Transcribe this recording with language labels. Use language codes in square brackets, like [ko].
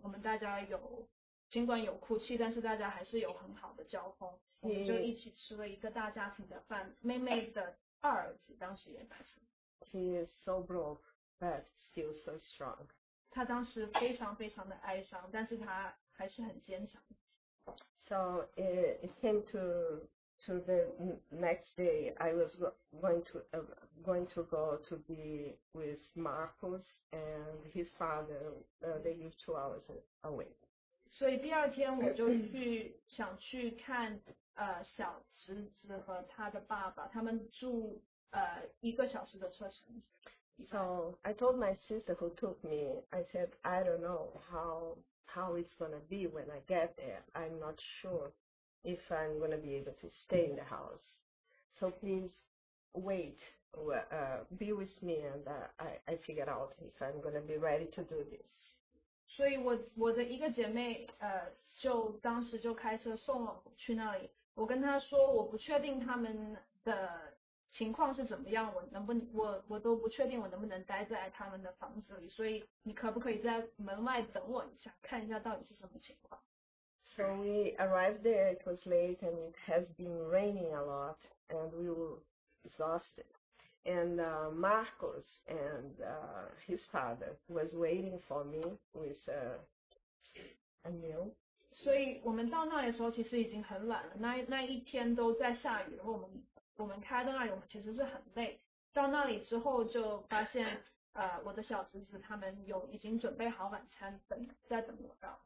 [zh] 我们大家有尽管有哭泣，但是大家还是有很好的交通。我们就一起吃了一个大家庭的饭。妹妹的二儿子当时也来了。 [en] He is so broke, but still so strong. [zh] 他当时非常非常的哀伤，但是他还是很坚强。 [en] So it came to the next day, I was going to go to be with Marcus and his father. They live 2 hours away. [zh] 所以第二天我就去想去看小侄子和他的爸爸，他们住一个小时的车程。 [en] So I told my sister who took me. I said I don't know how it's gonna be when I get there. I'm not sure if I'm gonna be able to stay in the house. So please wait, be with me, and I figure out if I'm gonna be ready to do this. [zh] 所以我的一个姐妹就当时就开车送我去那里。我跟她说我不确定他们的情况是怎么样，我都不确定我能不能待在他们的房子里，所以你可不可以在门外等我一下，看一下到底是什么情况。 [en] So we arrived there, it was late and it has been raining a lot and we were exhausted. And Marcos and his father was waiting for me with a meal. [zh] 所以我们到那里的时候其实已经很晚了，那一天都在下雨，然后我们开到那里，我们其实是很累。到那里之后就发现我的小侄子他们有已经准备好晚餐在等我到。